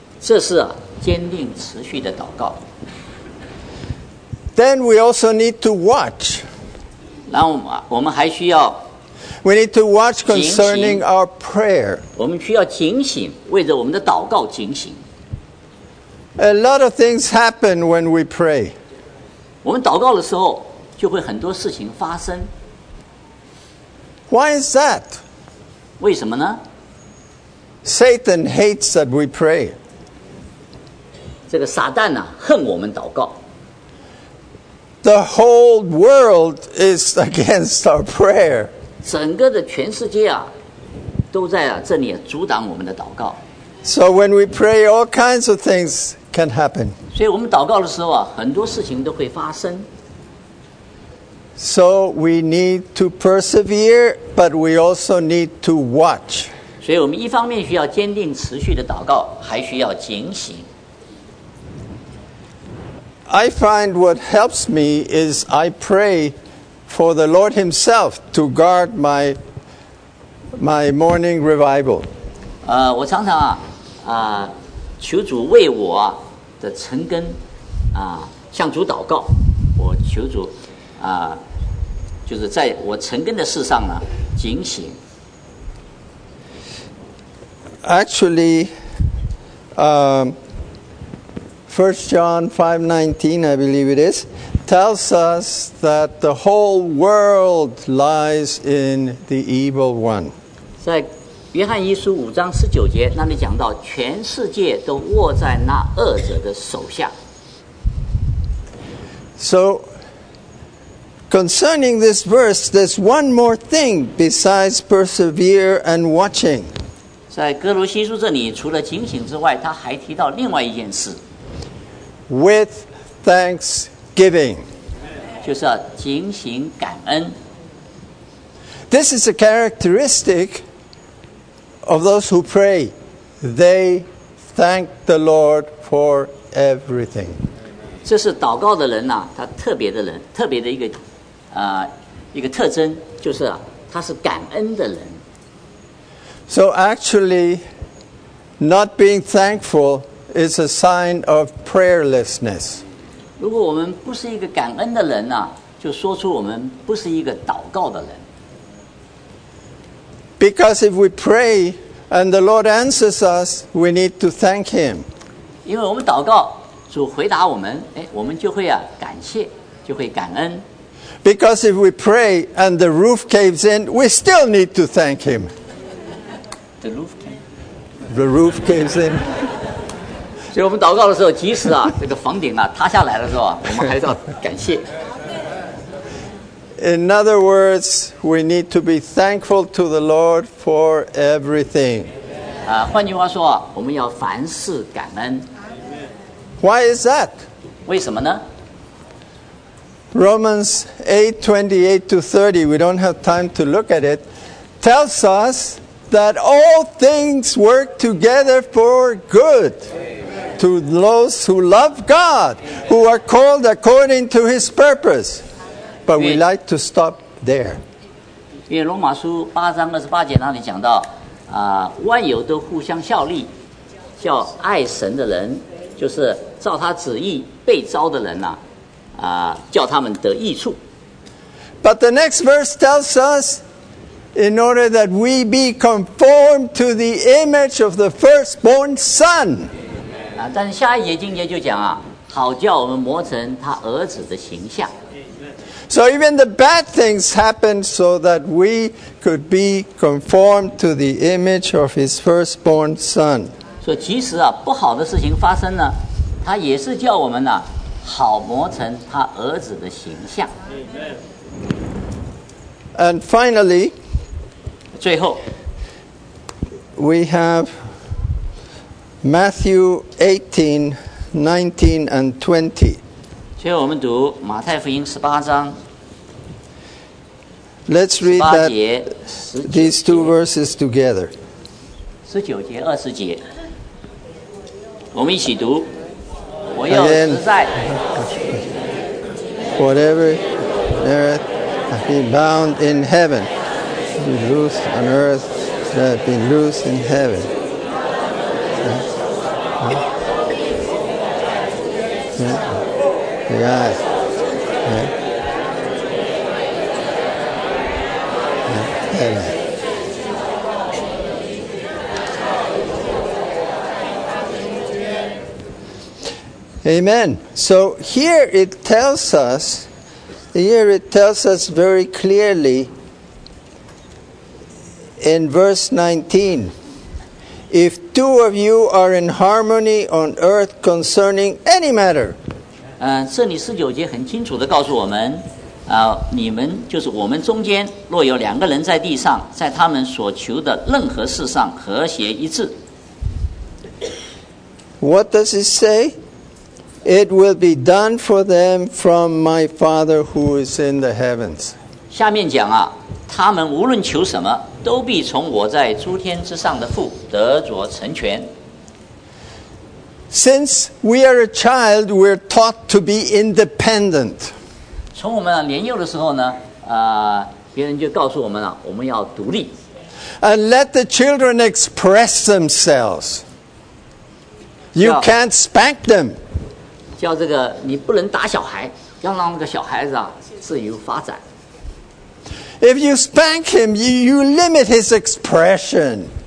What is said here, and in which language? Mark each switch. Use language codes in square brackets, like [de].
[zh] 这是啊坚定持续的祷告。 [en] Then we also need to watch. [zh] 然后我们还需要 [en] We need to watch concerning our prayer. [zh] 我们需要警醒，为着我们的祷告警醒。 [en] A lot of things happen when we pray. [zh] 我们祷告的时候，就会很多事情发生。 [en] Why is that? [zh] 为什么呢？ [en] Satan hates that we pray. [zh] 这个撒旦啊，恨我们祷告。 [en] The whole world is against our prayer. [zh] 整个的全世界啊，都在啊这里阻挡我们的祷告。 [en] So when we pray, all kinds of things can happen. [zh] 所以我们祷告的时候啊，很多事情都会发生。 [en] So we need to persevere, but we also need to watch. [zh] 所以我们一方面需要坚定持续的祷告，还需要警醒。 [en] I find what helps me is I pray for the Lord Himself to guard my morning revival. [zh] 我常常啊，求主为我的晨更啊，向主祷告。我求主啊。就是在我成根的事上呢，警醒。 [en] Actually, First John 5:19, I believe it is, tells us that the whole world lies in the evil one. [zh] 在约翰一书五章十九节那里讲到，全世界都握在那恶者的手下。 [en] So. Concerning this verse, there's one more thing besides persevere and watching. [zh] 在哥罗西书这里，除了警醒之外，他还提到另外一件事。 [en] With thanksgiving. [zh] 就是啊，警醒感恩。 [en] This is a characteristic of those who pray. They thank the Lord for everything. [zh] 这是祷告的人呐，他特别的人，特别的一个。一个特征就是、他是感恩的人。 [en] So actually, not being thankful is a sign of prayerlessness. [zh] 如果我们不是一个感恩的人、就说出我们不是一个祷告的人。 [en] Because if we pray and the Lord answers us, we need to thank Him. [zh] 因为我们祷告，主回答我们，我们就会、感谢，就会感恩。 [en] Because if we pray and the roof caves in, we still need to thank Him. The roof caves. The roof caves in. [zh] 所以我们祷告的时候，即使啊这个房顶啊塌下来的时候啊，我们还是要感谢。 [en] In other words, we need to be thankful to the Lord for everything. [zh] 换句话说，我们要凡事感恩。 [en] Why is that? [zh] 为什么呢？ [en] Romans 8:28-30, we don't have time to look at it, tells us that all things work together for good、Amen. to those who love God,、Amen. who are called according to His purpose. But we like to stop there. [zh] 因为罗马书八章二十八节那里讲到，万有都互相效力，叫爱神的人，就是照他旨意被召的人呐、叫他们得益处。 [en] But the next verse tells us, in order that we be conformed to the image of the firstborn son. [zh] 但是下一节经节就讲啊，好叫我们磨成他儿子的形象。 [en] So even the bad things happen so that we could be conformed to the image of his firstborn son. [zh] 所以即使啊不好的事情发生呢，他也是叫我们呢、好磨成他儿子的形象。 [en] And finally, [zh] 最后 [en] we have Matthew 18:19-20. [zh] 最后我们读马太福音十八章。 [en] Let's read that these two verses together. [zh] 十九节二十节，我们一起读。我要实在。 [en] Whatever earth has been bound in heaven, be loose on earth, that be loose in heaven. Yeah. Yeah. Yeah. Yeah. Heaven. Amen. So here it tells us, very clearly in verse 19, If two of you are in harmony on earth concerning any matter. [zh] 圣礼十九节很清楚地告诉我们，你们就是我们中间若有两个人在地上，在他们所求的任何事上和谐一致。 [en] What does it say? It will be done for them from my Father who is in the heavens. [zh] 下面讲啊，他们无论求什么，都必从我在诸天之上的父得着成全。 [en] Since we are a child, we're taught to be independent. [zh] 从我们年幼的时候呢，别人就告诉我们啊，我们要独立。 [en] And let the children express themselves. You can't spank them. [zh] 叫这个你不能打小孩，要让那个小孩子啊自由发展。 [en] If you spank him, you limit his expression.